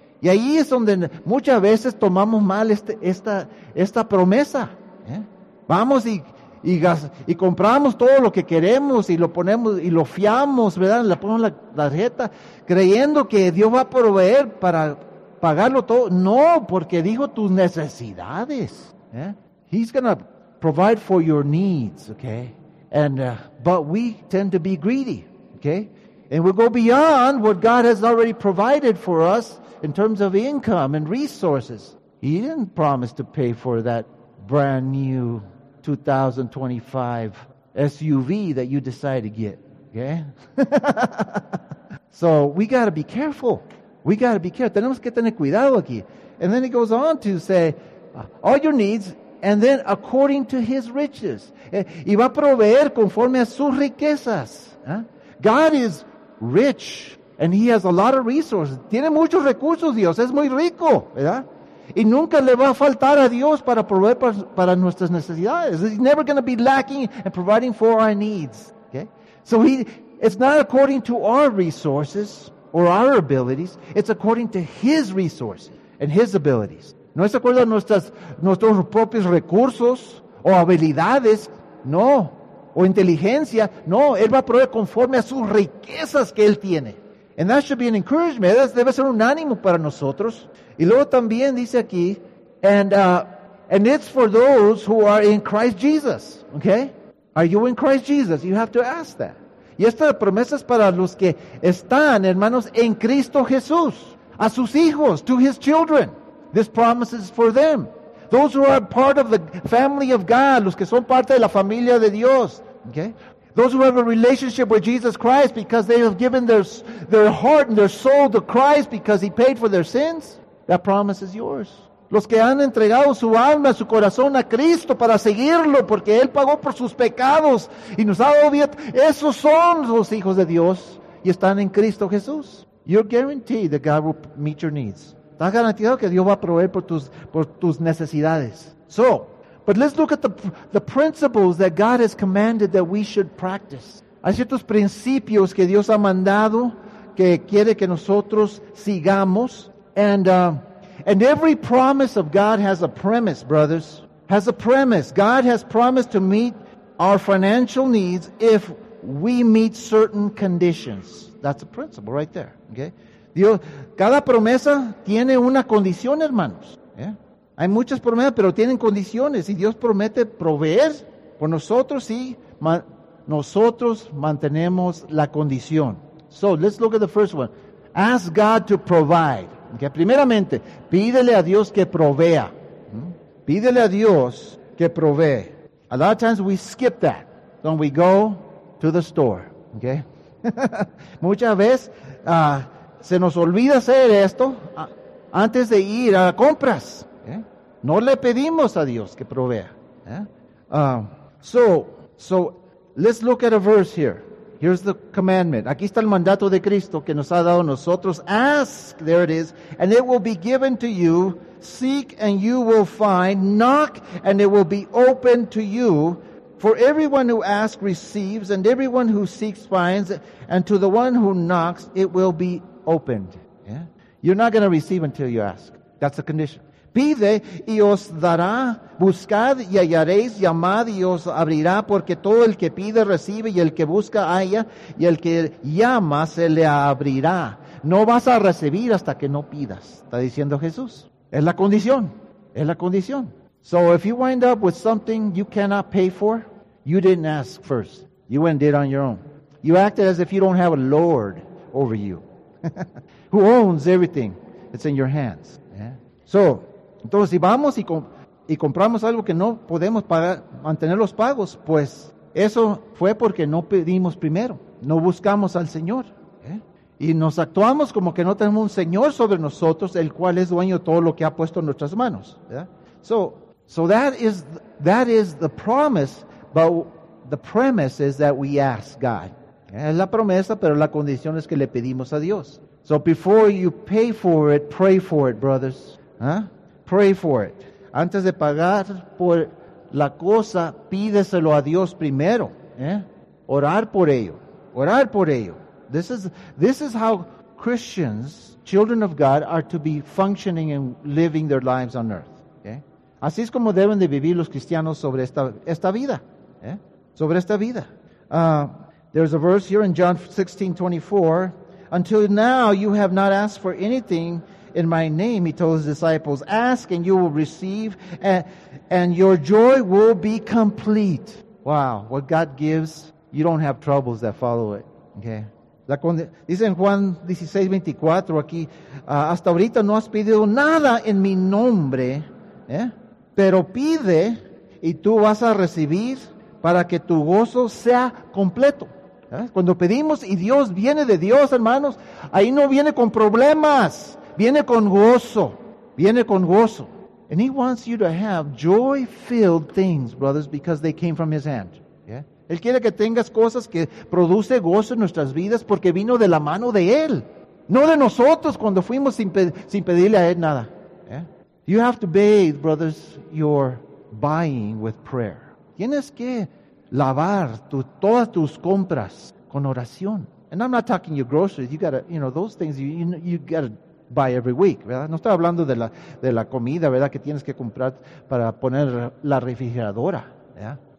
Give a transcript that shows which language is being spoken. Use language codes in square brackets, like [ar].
[es] Y ahí es donde muchas veces tomamos mal esta promesa. ¿Eh? Vamos y compramos todo lo que queremos y lo ponemos y lo fiamos, ¿verdad? Le ponemos la tarjeta creyendo que Dios va a proveer para pagarlo todo. No, porque dijo tus necesidades. ¿Eh? [en] He's going to provide for your needs, okay? But we tend to be greedy, okay? And we go beyond what God has already provided for us in terms of income and resources. He didn't promise to pay for that brand new 2025 SUV that you decide to get. Okay? So we got to be careful. We got to be careful. [es] Tenemos que tener cuidado aquí. [en] And then it goes on to say, all your needs, and then according to his riches. [es] Y va a proveer conforme a sus riquezas. [en] God is rich, and he has a lot of resources. [es] Tiene muchos recursos, Dios. Es muy rico, ¿verdad? Y nunca le va a faltar a Dios para proveer para nuestras necesidades. [en] He's never going to be lacking and providing for our needs. Okay? So it's not according to our resources or our abilities. It's according to his resources and his abilities. [es] No es acuerdo a nuestros propios recursos o habilidades, no, o inteligencia, no. Él va a proveer conforme a sus riquezas que él tiene. [en] And that should be an encouragement. [es] Eso debe ser un ánimo para nosotros. Y luego también dice aquí, [en] and it's for those who are in Christ Jesus. Okay? Are you in Christ Jesus? You have to ask that. [es] Y esta promesa es para los que están, hermanos, en Cristo Jesús, a sus hijos, [en] to his children. This promise is for them. Those who are part of the family of God, [es] los que son parte de la familia de Dios. [en] Okay? Those who have a relationship with Jesus Christ because they have given their heart and their soul to Christ because he paid for their sins. That promise is yours. [es] Los que han entregado su alma, su corazón a Cristo para seguirlo porque él pagó por sus pecados y nos ha dado vida. Esos son los hijos de Dios y están en Cristo Jesús. [en] You're guaranteed that God will meet your needs. [es] Estás garantizado que Dios va a proveer por tus necesidades. [en] So, but let's look at the principles that God has commanded that we should practice. [es] Hay ciertos principios que Dios ha mandado que quiere que nosotros sigamos. [en] And every promise of God has a premise, brothers. Has a premise. God has promised to meet our financial needs if we meet certain conditions. That's a principle right there. Okay? [es] Dios, cada promesa tiene una condición, hermanos. [en] Yeah? [es] Hay muchas promesas, pero tienen condiciones. Y Dios promete proveer por nosotros si nosotros mantenemos la condición. [en] So, let's look at the first one. Ask God to provide. Okay? [es] Primeramente, pídele a Dios que provea. Pídele a Dios que provee. [en] A lot of times we skip that. Then we go to the store. Okay? [es] Muchas veces se nos olvida hacer esto antes de ir a compras. Okay? No le pedimos a Dios que provea. Yeah? [en] So let's look at a verse here. Here's the commandment. [es] Aquí está el mandato de Cristo que nos ha dado nosotros. [en] Ask, there it is, and it will be given to you. Seek, and you will find. Knock, and it will be opened to you. For everyone who asks receives, and everyone who seeks finds. And to the one who knocks, it will be opened. Yeah? You're not going to receive until you ask. That's the condition. [es] Pide y os dará, buscad y hallaréis, llamad y os abrirá, porque todo el que pide recibe y el que busca halla y el que llama se le abrirá. No vas a recibir hasta que no pidas, está diciendo Jesús. Es la condición, es la condición. [en] So if you wind up with something you cannot pay for, you didn't ask first. You went and did it on your own. You acted as if you don't have a Lord over you who owns everything. It's in your hands. Yeah. [es] So, entonces, si vamos y compramos algo que no podemos pagar, mantener los pagos, pues eso fue porque no pedimos primero, no buscamos al Señor. ¿Eh? Y nos actuamos como que no tenemos un Señor sobre nosotros, el cual es dueño de todo lo que ha puesto en nuestras manos. ¿Verdad? [en] So that is the promise, but the premise is that we ask God. [es] ¿Eh? Es la promesa, pero la condición es que le pedimos a Dios. [en] So before you pay for it, pray for it, brothers. [es] ¿Eh? [en] Pray for it. [es] Antes de pagar por la cosa, pídeselo a Dios primero. ¿Eh? Orar por ello. Orar por ello. [en] This is how Christians, children of God, are to be functioning and living their lives on earth. [es] ¿Eh? Así es como deben de vivir los cristianos sobre esta vida. [en] ¿Eh? [es] Sobre esta vida. [en] There's a verse here in John 16:24. Until now you have not asked for anything in my name, he told his disciples, ask and you will receive, and your joy will be complete. Wow, what God gives, you don't have troubles that follow it. Okay. [es] Dice en Juan 16:24 aquí, hasta ahorita no has pedido nada en mi nombre, ¿eh? Pero pide y tú vas a recibir para que tu gozo sea completo. Cuando pedimos y Dios viene de Dios, hermanos, ahí no viene con problemas, viene con gozo, viene con gozo. [en] And he wants you to have joy-filled things, brothers, because they came from his hand. Yeah. [es] Él quiere que tengas cosas que produce gozo en nuestras vidas porque vino de la mano de Él. No de nosotros cuando fuimos sin pedirle a Él nada. [en] Yeah. You have to bathe, brothers, your buying with prayer. [es] Tienes que lavar todas tus compras con oración. [en] And I'm not talking your groceries. You gotta, you know, those things you gotta buy every week, ¿verdad? [es] No estoy hablando de la comida, ¿verdad? Que tienes que comprar para poner la refrigeradora, ¿verdad?